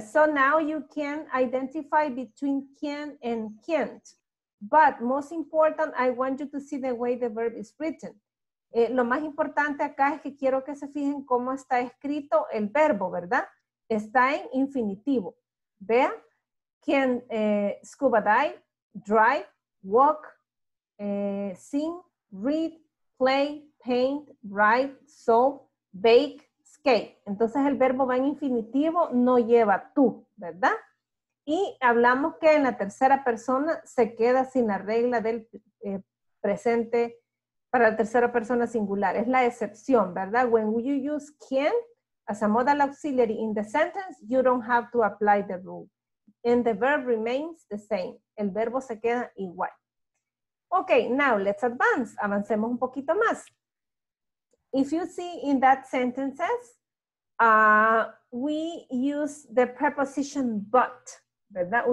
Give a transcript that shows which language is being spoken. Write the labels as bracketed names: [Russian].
[English] So now you can identify between can and can't. But most important, I want you to see the way the verb is written. [Spanish] Lo más importante acá es que quiero que se fijen cómo está escrito el verbo, ¿verdad? Está en infinitivo. Vea, can scuba dive, drive, walk, sing, read, play, paint, write, sew, bake, skate. Entonces el verbo va en infinitivo, no lleva tú, ¿verdad? Y hablamos que en la tercera persona se queda sin la regla del presente para la tercera persona singular. Es la excepción, ¿verdad? [English] When you use can as a modal auxiliary in the sentence, you don't have to apply the rule. And the verb remains the same. [Spanish] El verbo se queda igual. [English] Okay, now let's advance. [Spanish] Avancemos un poquito más. [English] If you see in that sentences, we use the preposition but, ¿verdad?